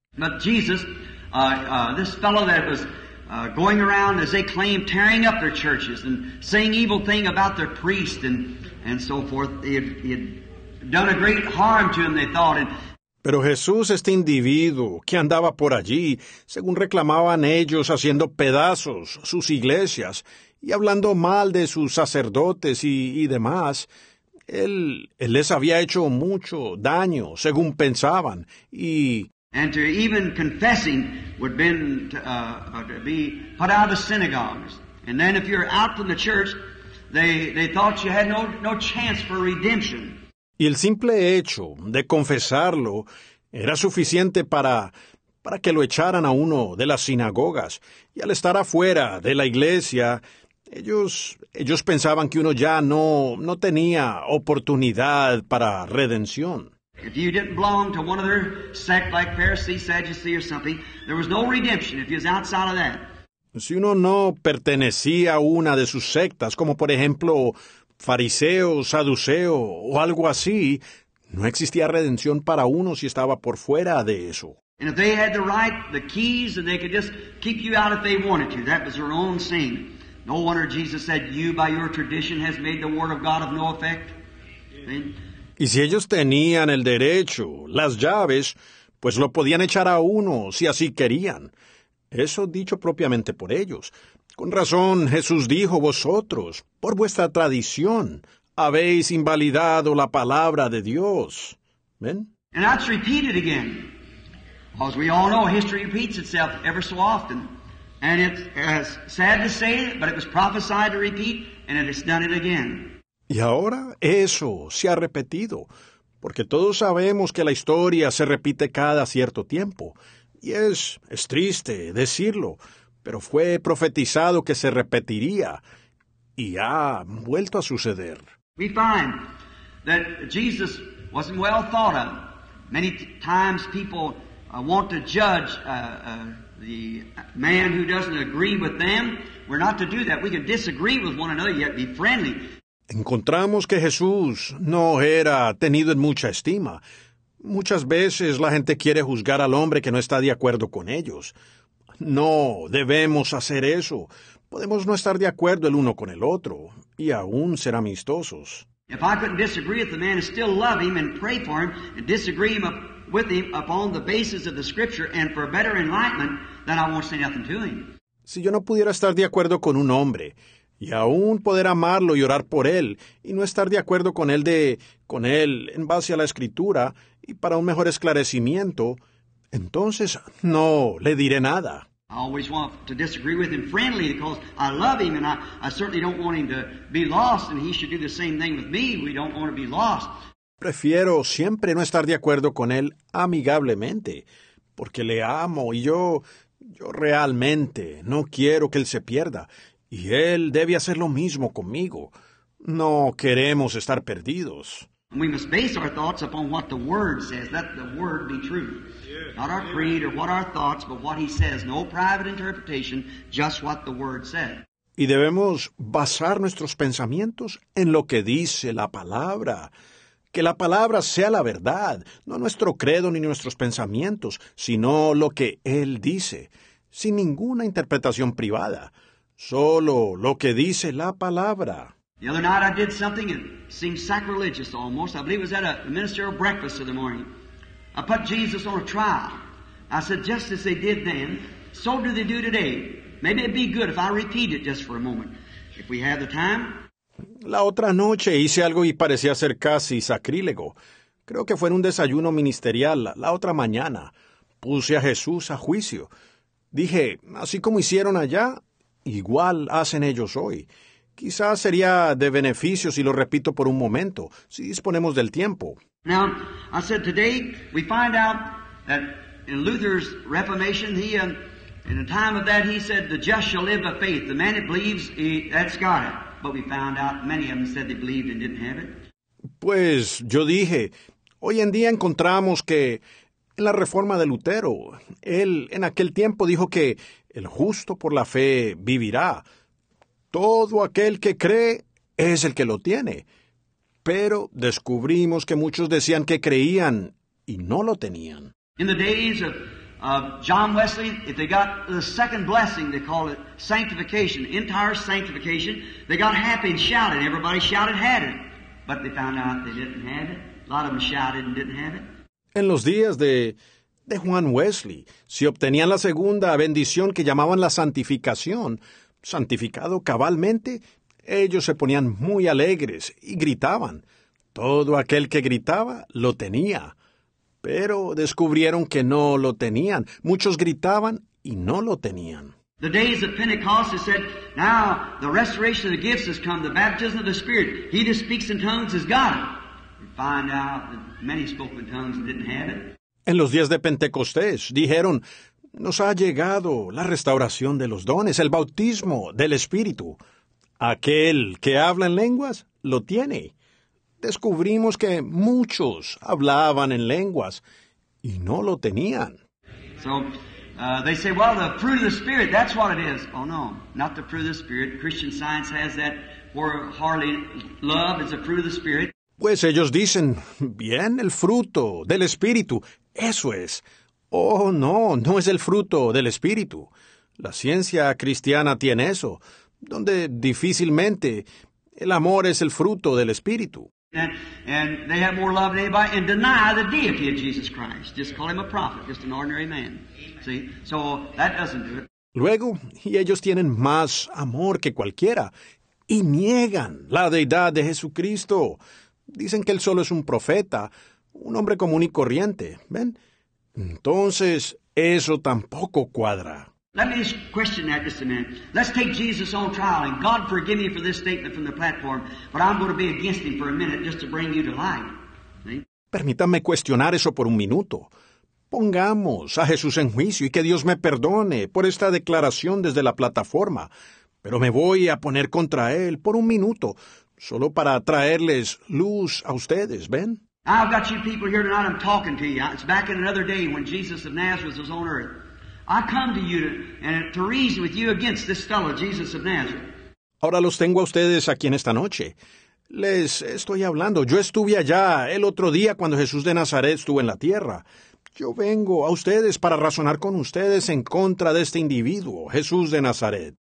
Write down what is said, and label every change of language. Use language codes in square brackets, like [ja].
[en] But Jesus, this fellow that was going around, as they claimed, tearing up their churches and saying evil thing about their priest and so forth, he had done a great harm to them, they thought. [es] Pero Jesús, este individuo que andaba por allí, según reclamaban ellos, haciendo pedazos sus iglesias y hablando mal de sus sacerdotes y demás, él les había hecho mucho daño, según pensaban, y... [en] And to even confessing would been to be put out of synagogues. And then if you're out from the church, they thought you had no chance for redemption. [es] Y el simple hecho de confesarlo era suficiente para que lo echaran a uno de las sinagogas. Y al estar afuera de la iglesia, ellos pensaban que uno ya no tenía oportunidad para redención. [en] If you didn't belong to one of their sect like Pharisee, Sadducee or something, there was no redemption if you was outside of that. [es] Si uno no pertenecía a una de sus sectas, como por ejemplo fariseo, saduceo o algo así, no existía redención para uno si estaba por fuera de eso. [en] And if they had the right, the keys, and they could just keep you out if they wanted to, that was their own sin. No wonder Jesus said, "You by your tradition has made the word of God of no effect." [es] Y si ellos tenían el derecho, las llaves, pues lo podían echar a uno si así querían. Eso dicho propiamente por ellos. Con razón, Jesús dijo, vosotros, por vuestra tradición, habéis invalidado la palabra de Dios. ¿Ven? [en] And that's repeated again. As we all know, history repeats itself ever so often. And it's as sad to say, but it was prophesied to repeat, and it has done it again. [es] Y ahora eso se ha repetido, porque todos sabemos que la historia se repite cada cierto tiempo. Y es triste decirlo, pero fue profetizado que se repetiría, y ha vuelto a suceder. [en] We find that Jesus wasn't well thought of. Many times people want to judge the man who doesn't agree with them. We're not to do that. We can disagree with one another, yet be friendly. [es] Encontramos que Jesús no era tenido en mucha estima. Muchas veces la gente quiere juzgar al hombre que no está de acuerdo con ellos. No debemos hacer eso. Podemos no estar de acuerdo el uno con el otro y aún ser amistosos. [en] If I couldn't disagree with the man and still love him and pray for him and disagree with him upon the basis of the scripture and for better enlightenment, then I won't say nothing to him. [es] Si yo no pudiera estar de acuerdo con un hombre, y aún poder amarlo y orar por él, y no estar de acuerdo con él en base a la Escritura, y para un mejor esclarecimiento, entonces no le diré nada. [en] I always want to disagree with him friendly, because I love him, and I certainly don't want him to be lost, and he should do the same thing with me. We don't want to be lost. [es] Prefiero siempre no estar de acuerdo con él amigablemente, porque le amo y yo realmente no quiero que él se pierda. Y él debe hacer lo mismo conmigo. No queremos estar perdidos. [en] We must base our thoughts upon what the Word says. Let the Word be true. Not our creed or what our thoughts, but what He says. No private interpretation, just what the Word said. [es] Y debemos basar nuestros pensamientos en lo que dice la Palabra. Que la Palabra sea la verdad, no nuestro credo ni nuestros pensamientos, sino lo que Él dice, sin ninguna interpretación privada, solo lo que dice la Palabra. [en] The other night I did something that seemed sacrilegious almost. I believe it was at a ministerial breakfast in the morning. I put Jesus on a trial. I said, just as they did then, so do they do today. Maybe it'd be good if I repeat it just for a moment, if we have the time. [es] La otra noche hice algo y parecía ser casi sacrílego. Creo que fue en un desayuno ministerial la otra mañana. Puse a Jesús a juicio. Dije, así como hicieron allá, igual hacen ellos hoy. Quizás sería de beneficio si lo repito por un momento, si disponemos del tiempo. [en] Now, I said today we find out that in Luther's Reformation, he in the time of that he said the just shall live by faith. The man that believes, that's got it. But we found out many of them said they believed and didn't have it. [es] Pues yo dije, hoy en día encontramos que en la Reforma de Lutero, él en aquel tiempo dijo que el justo por la fe vivirá. Todo aquel que cree es el que lo tiene. Pero descubrimos que muchos decían que creían y no lo tenían. [en] In the days of John Wesley, if they got the second blessing, they call it sanctification, entire sanctification, they got happy and shouted. Everybody shouted, had it. But they found out they didn't have it. A lot of them shouted and didn't have it. [es] En los días de Juan Wesley, si obtenían la segunda bendición que llamaban la santificación, santificado cabalmente, ellos se ponían muy alegres y gritaban. Todo aquel que gritaba lo tenía, pero descubrieron que no lo tenían. Muchos gritaban y no lo tenían. [en] The days of Pentecost, it said, now the restoration of the gifts has come, the baptism of the Spirit. He that speaks in tongues has got it. We find out that many spoke in tongues and didn't have it. [es] En los días de Pentecostés, dijeron, nos ha llegado la restauración de los dones, el bautismo del Espíritu. Aquel que habla en lenguas, lo tiene. Descubrimos que muchos hablaban en lenguas y no lo tenían. [en] So, they say, well, the fruit of the Spirit, that's what it is. Oh, no, not the fruit of the Spirit. Christian Science has that, or hardly love is the fruit of the Spirit. [es] Pues ellos dicen, bien, el fruto del Espíritu, eso es. Oh, no, no es el fruto del Espíritu. La ciencia cristiana tiene eso, donde difícilmente el amor es el fruto del Espíritu. [en] And they have more love than anybody, and deny the deity of Jesus Christ. Just call him a prophet, just an ordinary man. See? So that doesn't do it. [es] Luego, y ellos tienen más amor que cualquiera, y niegan la deidad de Jesucristo. Dicen que él solo es un profeta, un hombre común y corriente. ¿Ven? Entonces, eso tampoco cuadra. [en] Let me just question that just a minute. Let's take Jesus on trial, and God forgive me for this statement from the platform, but I'm going to be against him for a minute just to bring you to life. [es] Permítanme cuestionar eso por un minuto. Pongamos a Jesús en juicio y que Dios me perdone por esta declaración desde la plataforma, pero me voy a poner contra él por un minuto, solo para traerles luz a ustedes, ¿ven? [en] I've got you people here tonight, I'm talking to you. It's back in another day when Jesus of Nazareth was on earth. I come to you to reason with you against this fellow, Jesus of Nazareth. [es] Ahora los tengo a ustedes aquí en esta noche. Les estoy hablando. Yo estuve allá el otro día cuando Jesús de Nazaret estuvo en la tierra. Yo vengo a ustedes para razonar con ustedes en contra de este individuo, Jesús de Nazaret.